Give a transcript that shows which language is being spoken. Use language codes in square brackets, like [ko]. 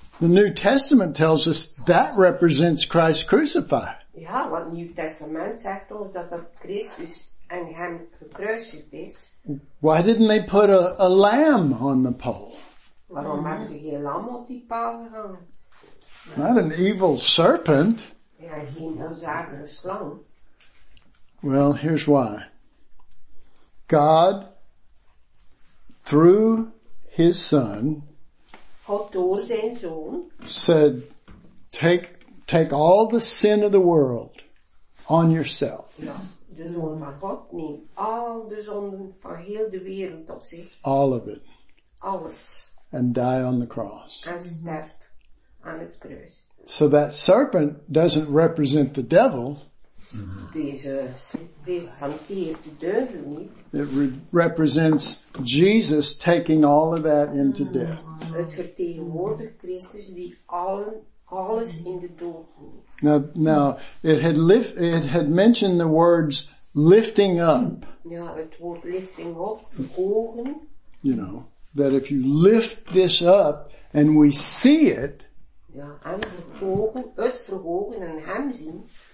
[en] the New Testament tells us that represents Christ crucified. [nl] Ja, wat New Testament zegt ons dat dat Christus en hem gekruisigd is. [en] Why didn't they put a lamb on the pole? [nl] Waarom hebben ze geen lam op die paal gehangen? [en] Not an evil serpent. [nl] Ja, geen onzuivere slang. [en] Well, here's why. God, through his son, [nl] God door zijn zoon, [en] said, take all the sin of the world on yourself. [nl] Ja, de zoon van God neemt al de zonden van heel de wereld op zich. [en] All of it. [nl] Alles. [en] And die on the cross. [nl] En sterft aan het kruis. [en] So that serpent doesn't represent the devil. [nl] Deze serpent hanteert de duivel niet. [en] It represents Jesus taking all of that into death. [nl] Het vertegenwoordigt Christus die alles in de dood neemt. [en] Now it had mentioned the words lifting up. [nl] Ja, het woord [en] lifting up, [nl] verhogen. [en] You know, that if you lift this up and we see it, [nl] ja, en verhogen, het verhogen en hem zien,